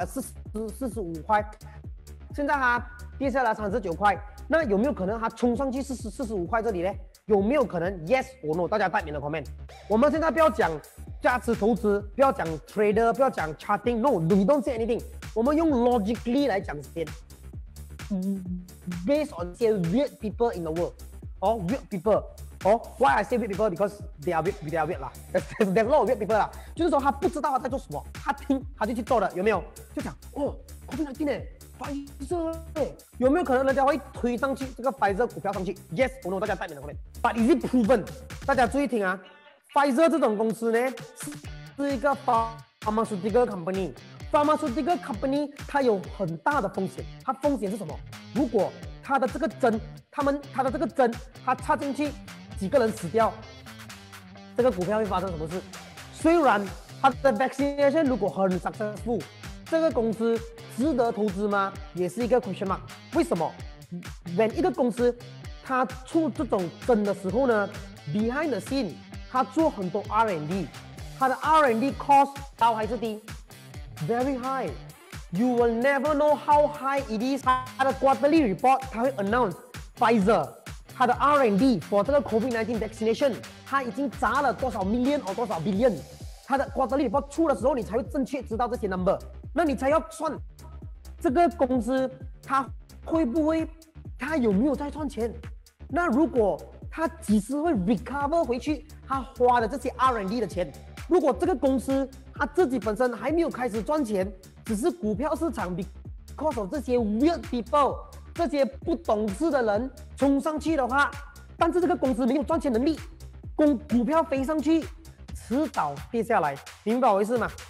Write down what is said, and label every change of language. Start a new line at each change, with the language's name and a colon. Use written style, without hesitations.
Chinese: 45块，现在它跌下来39块，那有没有可能它冲上去45块这里呢？有没有可能 ？
English: Yes or no？
Chinese: 大家带你的 comment。我们现在不要讲价值投资，不要讲 trader， 不要讲 charting。
English: No， we don't say anything。
Chinese: 我们用
English: logically
Chinese: 来讲先。
English: Based on the weird people in the world， or weird people， or why I say weird people because they are weird 啦。 There's a lot of weird people 啦。
Chinese: 就是说他不知道他在做什么，他听他就去做的，有没有？就讲哦 ，COVID-19 呢。 Pfizer 有没有可能人家会推上去这个 Pfizer 股票上去 ？
English: Yes，
Chinese: 我懂大家在你的后面。
English: But is it proven？
Chinese: 大家注意听啊 ，Pfizer 这种公司呢是一个 pharmaceutical company。 Pharmaceutical company 它有很大的风险，它风险是什么？如果它的这个针，它的这个针，它插进去几个人死掉，这个股票会发生什么事？虽然它的 vaccination 如果很 successful。这个公司值得投资吗？也是一个
English: question mark。
Chinese: 为什么 ？
English: When
Chinese: 一个公司它出这种针的时候呢 ？
English: Behind the scene，
Chinese: 它做很多 R&D， 它的 R&D cost 高还是低 ？
English: Very high。 You will never know how high it is。
Chinese: 它的
English: quarterly report
Chinese: 它会 announce Pfizer 它的
English: R&D for
Chinese: 这个 COVID-19 vaccination， 它已经砸了多少 million or 多少 billion。它的 quarterly report 出的时候，你才会正确知道这些 number。那你才要算这个公司它会不会它有没有在赚钱，那如果它几时会 recover 回去它花的这些 R&D 的钱，如果这个公司它自己本身还没有开始赚钱，只是股票市场
English: because of
Chinese: 这些 weird people 这些不懂事的人冲上去的话，但是这个公司没有赚钱能力，股票飞上去迟早跌下来，明白我意思吗？